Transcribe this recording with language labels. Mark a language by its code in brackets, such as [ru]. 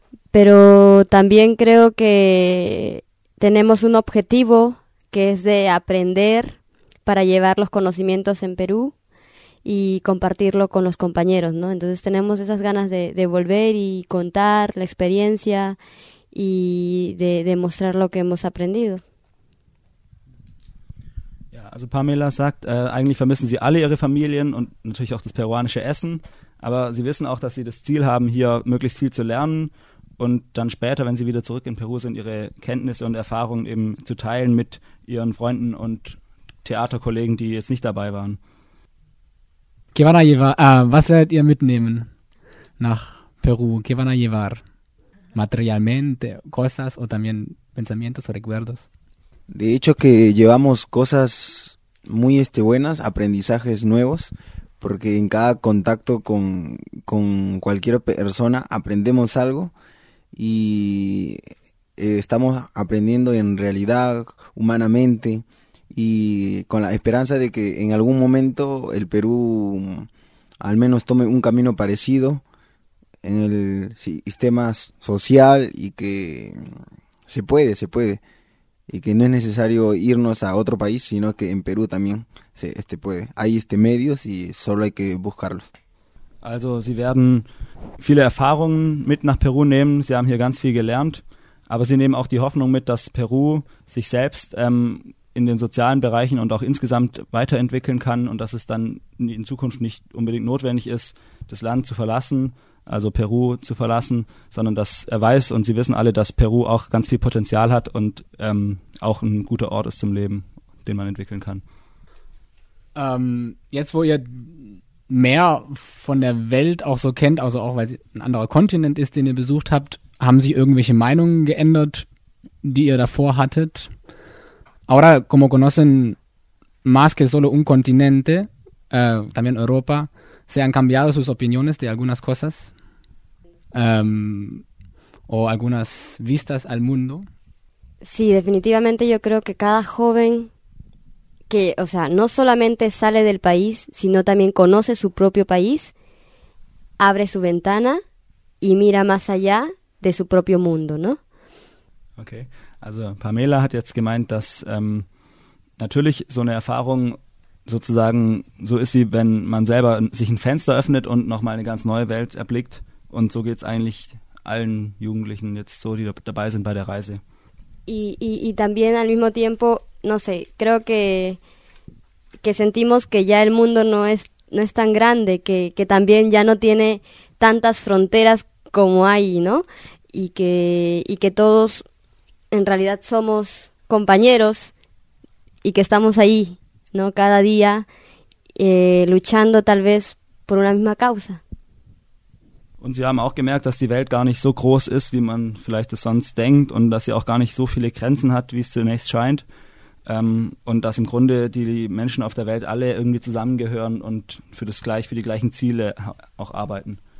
[es] Pero también creo que tenemos un objetivo que es de aprender para llevar los conocimientos en Perú y compartirlo con los compañeros, ¿no? Entonces tenemos esas ganas de volver y contar la experiencia y de mostrar lo que hemos aprendido. [de] Ja, also Pamela sagt, eigentlich vermissen sie alle ihre Familien und natürlich auch das peruanische Essen, aber sie wissen auch, dass sie das Ziel haben, hier möglichst viel zu lernen. Und dann später, wenn sie wieder zurück in Peru sind, ihre Kenntnisse und Erfahrungen eben zu teilen mit ihren Freunden und Theaterkollegen, die jetzt nicht dabei waren. [es] ¿Qué van a llevar? [de] Was werdet ihr mitnehmen nach Peru? [es] ¿Qué van a llevar? Materialmente, cosas o también pensamientos o recuerdos? De hecho que llevamos cosas muy buenas, aprendizajes nuevos. Porque en cada contacto con cualquier persona aprendemos algo. Y estamos aprendiendo en realidad, humanamente, y con la esperanza de que en algún momento el Perú al menos tome un camino parecido en el sistema social y que se puede, y que no es necesario irnos a otro país, sino que en Perú también se puede. Hay medios y solo hay que buscarlos. [de] Also sie werden viele Erfahrungen mit nach Peru nehmen, sie haben hier ganz viel gelernt, aber sie nehmen auch die Hoffnung mit, dass Peru sich selbst in den sozialen Bereichen und auch insgesamt weiterentwickeln kann und dass es dann in Zukunft nicht unbedingt notwendig ist, das Land zu verlassen, also Peru zu verlassen, sondern dass er weiß und sie wissen alle, dass Peru auch ganz viel Potenzial hat und auch ein guter Ort ist zum Leben, den man entwickeln kann. Jetzt, wo ihr mehr von der Welt auch so kennt, also auch weil es ein anderer Kontinent ist, den ihr besucht habt, haben sich irgendwelche Meinungen geändert, die ihr davor hattet? [es] Ahora, como conocen más que solo un continente, también Europa, se han cambiado sus opiniones de algunas cosas o algunas vistas al mundo? Sí, definitivamente yo creo que cada joven que, o sea, no solamente sale del país, sino también conoce su propio país, abre su ventana y mira más allá de su propio mundo, ¿no? [de] Okay, also Pamela hat jetzt gemeint, dass natürlich so eine Erfahrung sozusagen so ist, wie wenn man selber sich ein Fenster öffnet und nochmal eine ganz neue Welt erblickt. Und so geht es eigentlich allen Jugendlichen jetzt so, die dabei sind bei der Reise. [es] Y también al mismo tiempo, no sé, creo que sentimos que ya el mundo no es tan grande, que también ya no tiene tantas fronteras como hay, ¿no? Y que todos en realidad somos compañeros y que estamos ahí, ¿no? Cada día luchando tal vez por una misma causa. [de] Und sie haben auch gemerkt, dass die Welt gar nicht so groß ist, wie man vielleicht es sonst denkt, und dass sie auch gar nicht so viele Grenzen hat, wie es zunächst scheint. Und dass im Grunde die Menschen auf der Welt alle irgendwie zusammengehören und für die gleichen Ziele auch arbeiten.